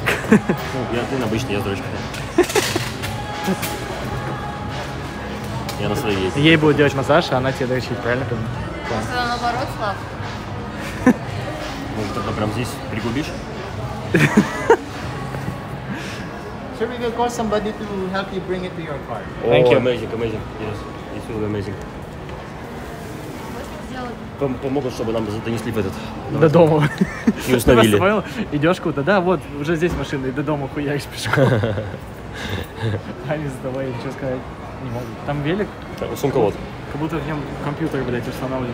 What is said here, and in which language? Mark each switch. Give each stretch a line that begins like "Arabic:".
Russian: Ну, я обычный, я с дрочкой. Я на своей езде. Ей будет делать массаж, а она тебе дрочить, правильно? Да. Может, она наоборот, Слав? Может, тогда прям здесь пригубишь?
English: Should we go call somebody to help you bring it to your car? Oh, thank you. Amazing, amazing. Yes, it will be amazing.
Russian: Помогут, чтобы нам занесли в этот... До дома. И установили. Ты понял? Идешь куда-то, да, вот, уже здесь машина, и до дома хуяешь пешком. Алис, давай, ничего сказать не могу. Там велик? Да, сумка вот. Как будто в нем компьютер, блядь, установлен.